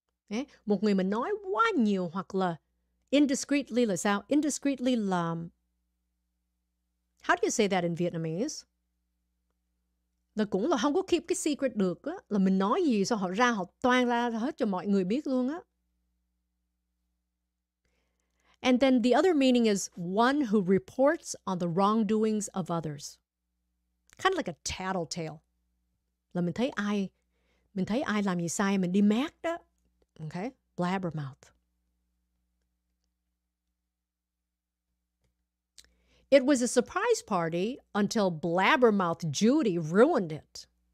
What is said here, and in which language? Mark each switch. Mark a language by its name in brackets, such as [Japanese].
[Vietnamese] Okay. Một người mà nói quá nhiều hoặc là indiscreetly là sao? [English] Indiscreetly là... How do you say that in Vietnamese? [Vietnamese] Là cũng là không có [English] keep [Vietnamese] cái secret được á. Là mình nói gì sao họ ra, họ toan ra hết cho mọi người biết luôn á. [English] And then the other meaning is one who reports on the wrongdoings of others. Kind of like a tattletale. [Vietnamese] Là mình thấy ai làm gì sai, mình đi mát đó. [English] Okay, blabbermouth. It was a surprise party until blabbermouth Judy ruined it.